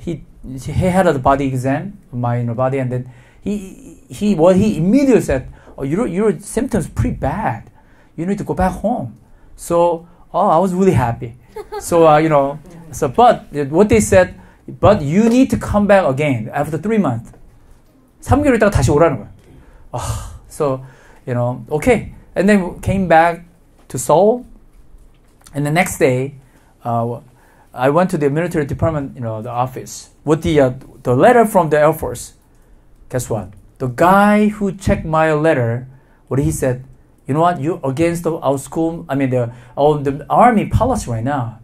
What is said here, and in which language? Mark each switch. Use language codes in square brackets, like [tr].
[en] He had a body exam, my, you know, body, and then he immediately said, oh, your symptoms are pretty bad. You need to go back home. So, oh, I was really happy. So, you know, so, but what they said, but you need to come back again after 3 months. [ko] 3개월 있다가 다시 오라는 거야. [en] So, you know, okay. And then came back to Seoul. And the next day, I went to the military department, you know, the office, with the letter from the Air Force. Guess what? The guy who checked my letter, what he said, you know what? You're against the Army policy right now.